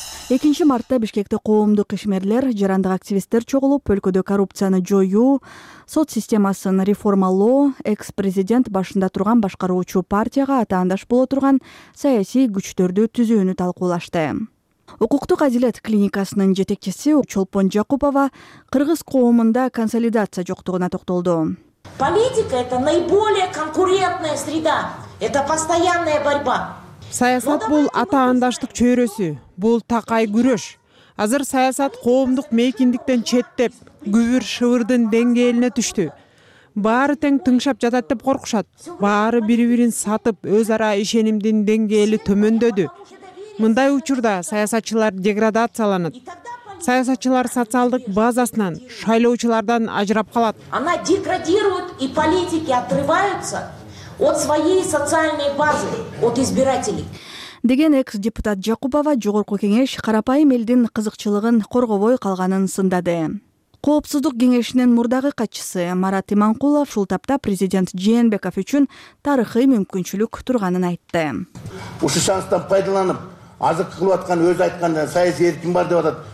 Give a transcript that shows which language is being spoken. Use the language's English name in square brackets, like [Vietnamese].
[Kyrgyz] 2 мартта Бишкекте коомдук ишмерлер, жарандык активисттер чогулуп, өлкөдө коррупцияны жоюу, сот системасын реформалоо, экс-президент башында турган башкаруучу партияга атаандаш боло турган саясий күчтөрдү түзүүнү талкуулашты. Укуктук адилет клиникасынын жетекчиси Чолпон Жакупова кыргыз коомунда консолидация жоктугуна токтолду. [Russian] Политика – это наиболее конкурентная среда. Это постоянная борьба. [Kyrgyz] Саясат бул атаандаштык чөйрөсү, бул такай күрөш. Азыр саясат коомдук мейкиндиктен четтеп, күбүр шыбырдын деңгээлине түштү. Баары тең тыңшап жатат деп коркушат. Баары бири-бирин сатып, өз ара ишенимдин деңгээли төмөндөдү. Мындай учурда саясатчылар деградацияланат. Саясатчылар социалдык базасынан, шайлоочулардан ажырап калат. [Russian] Она деградирует, и политики отрываются от своей социальной базы, от избирателей. [Kyrgyz] Деген экс-депутат Жакупова жогорку кеңеш карапайым элдин кызыкчылыгын коргобой калганын сындады. Коопсуздук кеңешинин мурдагы катчысы Марат Иманкулов ушул тапта президент Жээнбеков үчүн тарыхый мүмкүнчүлүк турганын айтты. Ушул шанстан пайдаланып, азыр кылып аткан, өз айткан саясий эркин бар деп атат.